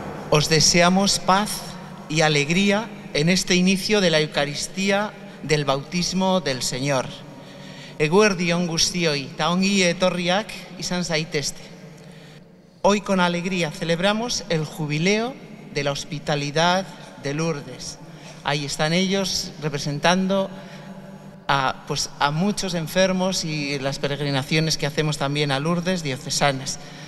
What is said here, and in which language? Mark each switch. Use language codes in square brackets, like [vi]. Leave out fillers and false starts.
[es] os deseamos paz y alegría en este inicio de la Eucaristía del Bautismo del Señor. [eu] Eguerdi on guztioi, ta ongi etorriak izan zaitezte. [es] Hoy con alegría celebramos el jubileo de la hospitalidad de Lourdes. Ahí están ellos representando a muchos enfermos y las peregrinaciones que hacemos también a Lourdes diocesanas.